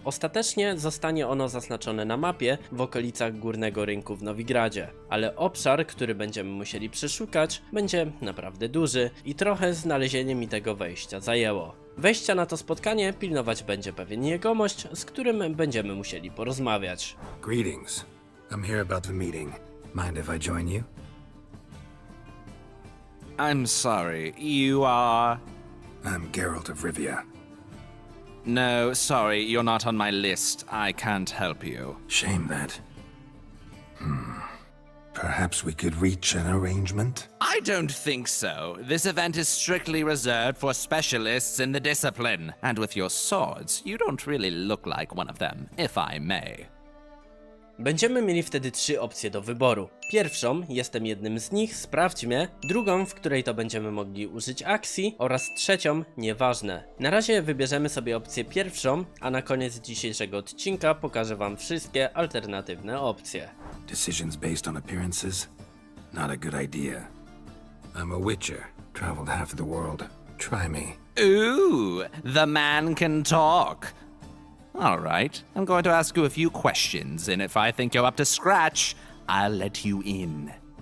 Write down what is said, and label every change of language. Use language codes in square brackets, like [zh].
[pl] Ostatecznie zostanie ono zaznaczone na mapie w okolicach Górnego Rynku w Nowigradzie, ale obszar, który będziemy musieli przeszukać, będzie naprawdę duży i trochę znalezienie mi tego wejścia zajęło. Wejścia na to spotkanie pilnować będzie pewien jegomość, z którym będziemy musieli porozmawiać. [en] Greetings. I'm here about the meeting. Mind if I join you? I'm sorry, you are... I'm Geralt of Rivia. No, sorry, you're not on my list. I can't help you. Shame that. Perhaps we could reach an arrangement? I don't think so. This event is strictly reserved for specialists in the discipline. And with your swords, you don't really look like one of them, if I may. [pl] Będziemy mieli wtedy trzy opcje do wyboru. Pierwszą, jestem jednym z nich, sprawdź mnie. Drugą, w której to będziemy mogli użyć akcji. Oraz trzecią, nieważne. Na razie wybierzemy sobie opcję pierwszą, a na koniec dzisiejszego odcinka pokażę wam wszystkie alternatywne opcje. [en] Decisions based on appearances? Not a good idea. I'm a witcher, traveled half the world. Try me. Ooh, the man can talk. All right, I'm going to ask you a few questions, and if I think you're up to scratch, I'll let you in.